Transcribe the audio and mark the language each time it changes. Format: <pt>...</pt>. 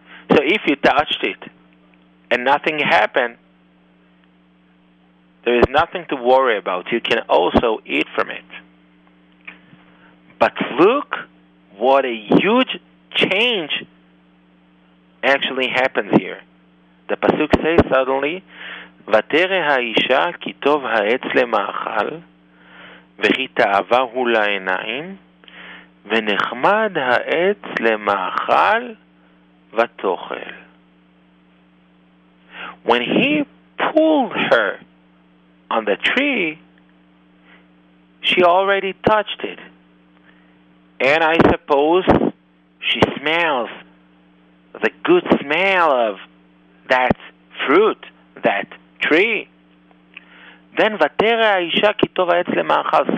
<en>So if you touched it and nothing happened, there is nothing to worry about. You can also eat from it. But look what a huge change actually happens here. The pasuk says suddenly,</en> <he>ותרא האישה כי טוב העץ למאכל, וכי תאווה הוא לעיניים, ונחמד העץ למאכל ותאכל.</he> <en>When he pulled her on the tree, she already touched it. And I suppose she smells the good smell of that fruit, that tree. Then</en> <he>ותרא האישה כי טוב העץ למאכל.</he>